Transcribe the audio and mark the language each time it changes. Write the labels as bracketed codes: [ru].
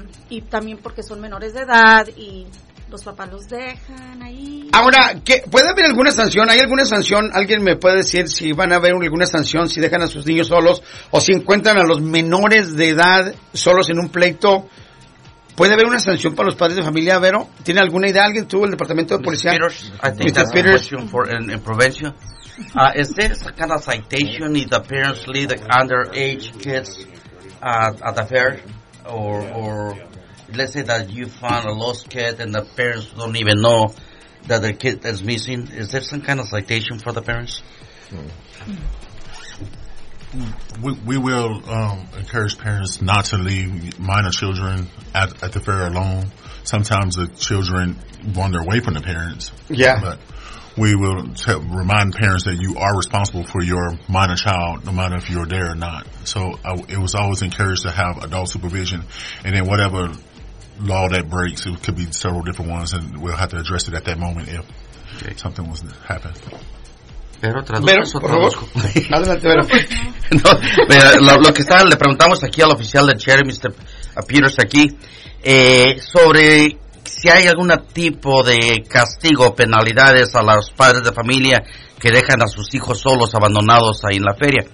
[es] Y también porque son menores de edad y los papás los dejan ahí. Ahora, ¿puede haber alguna sanción? ¿Hay alguna sanción? ¿Alguien me puede decir si van a haber alguna sanción si dejan a sus niños solos? ¿O si encuentran a los menores de edad solos en un pleito? ¿Puede haber una sanción para los padres de familia, Vero? ¿Tiene alguna idea alguien? ¿Tuvo el departamento de policía? [en] Mr. Peters, I think that's a question for in provincia. Is there some kind of citation if the parents leave the underage kids at the fair? Or let's say that you found a lost kid and the parents don't even know that their kid is missing. Is there some kind of citation for the parents? we will encourage parents not to leave minor children at the fair alone. Sometimes the children wander away from the parents. Yeah. But we will remind parents that you are responsible for your minor child, no matter if you're there or not. So it was always encouraged to have adult supervision. And then whatever law that breaks, it could be several different ones, and we'll have to address it at that moment if something was to happen. [es] Pero traduzco, pero, lo que está, le preguntamos aquí al oficial del sheriff, Mr. Peters, aquí, sobre si hay algún tipo de castigo, penalidades a los padres de familia que dejan a sus hijos solos, abandonados ahí en la feria.